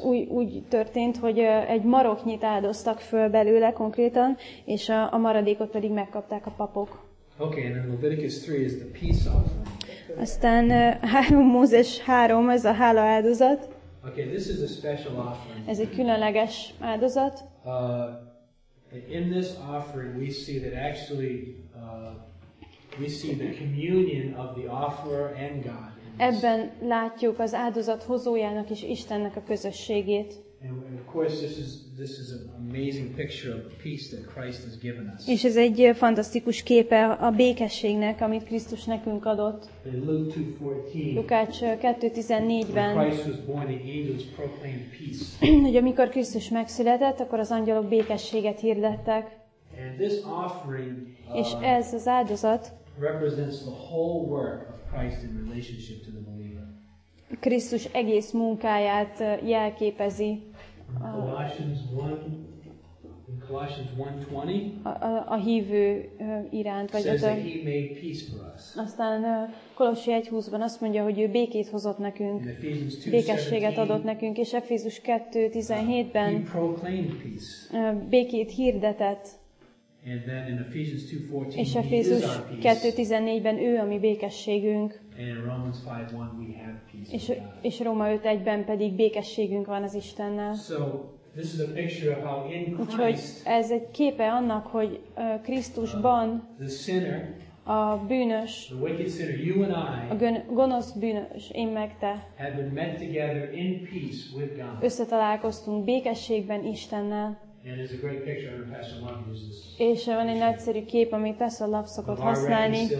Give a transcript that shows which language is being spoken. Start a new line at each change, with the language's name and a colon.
Hungarian: Úgy történt, hogy egy maroknyit áldoztak föl belőle konkrétan, és a maradékot pedig megkapták a papok.
English: Okay, and then Leviticus 3 is the peace offering.
Hungarian: Aztán 3 Mózes 3, ez a hála áldozat.
English: Okay, this is a special offering.
Hungarian: Ez egy különleges áldozat.
English: In this offering we see that actually we see the communion of the offerer and God.
Hungarian: Ebben látjuk az áldozat hozójának és Istennek a közösségét.
English: And of course this is an amazing picture of the peace that Christ has given us.
Hungarian: És ez egy fantasztikus képe a békességnek, amit Krisztus nekünk adott. Lukács 2:14-ben.
English: Christ was born, the angels proclaimed peace.
Hungarian: Hogy amikor Krisztus megszületett, akkor az angyalok békességet hirdettek.
English: And this offering,
Hungarian: és ez az áldozat
English: represents the whole work of Christ in relationship to the believer.
Hungarian: Krisztus egész munkáját jelképezi.
English: Colossians 1, Colossians 1:20.
Hungarian: A hívő iránt vagy
English: says that he made peace for us.
Hungarian: Aztán Kolossi 1:20-ban azt mondja, hogy ő békét hozott nekünk. Békességet adott nekünk, és Efézus 2:17-ben
English: he proclaimed peace.
Hungarian: Békét hirdetett.
English: And then in Ephesians 2:14,
Hungarian: és Efézus 2:14-ben ő a mi békességünk.
English: And in Romans 5:1 we have peace.
Hungarian: És Róma 5:1-ben pedig békességünk van az Istennel.
English: So this is a picture of how in Christ.
Hungarian: Úgyhogy ez egy képe annak, hogy Krisztusban
English: the sinner,
Hungarian: a bűnös,
English: the wicked sinner, you and I,
Hungarian: a gonosz bűnös, én meg te,
English: have been met together in peace with God.
Hungarian: Összetalálkoztunk békességben Istennel.
English: And there's a great picture of Pastor Long uses.
Hungarian: És van egy nagyszerű kép, amit Pastor Love szokott használni.